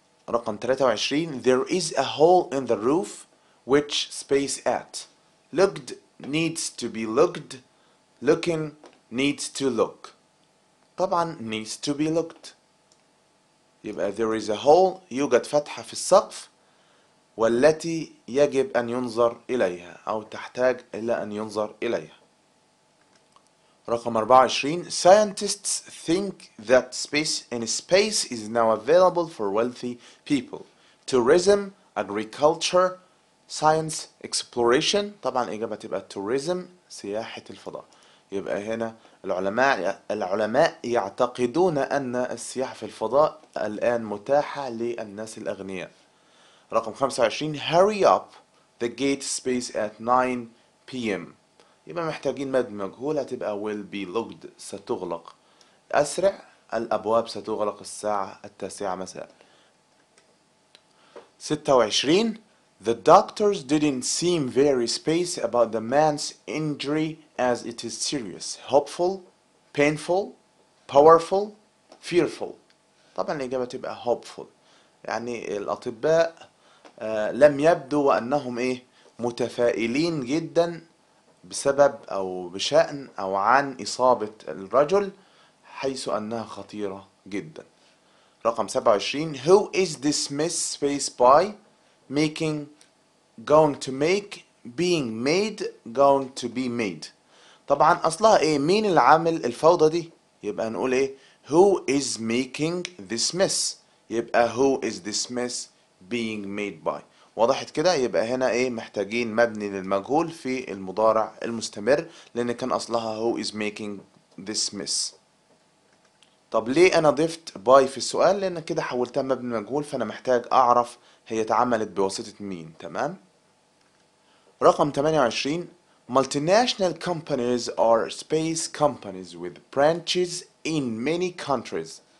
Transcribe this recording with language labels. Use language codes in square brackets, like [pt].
[en] رقم 23 There is a hole in the roof which space at. Looked needs to be looked. Looking needs to look. طبعا needs to be looked. [ar] يبقى [en] there is a hole، [ar] يوجد فتحة في السقف، والتي يجب أن ينظر إليها أو تحتاج إلى أن ينظر إليها. [en] رقم 24 Scientists think that space in space is now available for wealthy people. Tourism, agriculture, science, exploration. [ar] طبعا الإجابة تبقى tourism، سياحة الفضاء. يبقى هنا العلماء يعتقدون أن السياحة في الفضاء الآن متاحة للناس الأغنياء. [en] رقم 25 Hurry up the gate space at 9 PM. [ar] يبقى محتاجين مد مجهول، هتبقى [en] will be locked، [ar] ستغلق. أسرع، الأبواب ستغلق الساعة 9 PM. [en] 26 The doctors didn't seem very space about the man's injury as it is serious, hopeful, painful, powerful, fearful. [ar] طبعا الإجابة تبقى hopeful، يعني الأطباء لم يبدوا وأنهم إيه متفائلين جدا بسبب أو بشأن أو عن إصابة الرجل، حيث أنها خطيرة جدا. [en] رقم 27 Who is this miss space by making going to make being made going to be made. [ar] طبعا اصلها ايه، مين العامل الفوضى دي؟ يبقى نقول ايه [en] who is making this mess، [ar] يبقى [en] who is this mess being made by. [ar] وضحت كده؟ يبقى هنا ايه محتاجين مبني للمجهول في المضارع المستمر، لان كان اصلها [en] who is making this mess. [ar] طب ليه انا ضفت by في السؤال؟ لان كده حولتها مبني للمجهول، فانا محتاج اعرف هي اتعملت بواسطة مين، تمام؟ رقم 28 [en] Multinational companies are space companies with branches in many countries.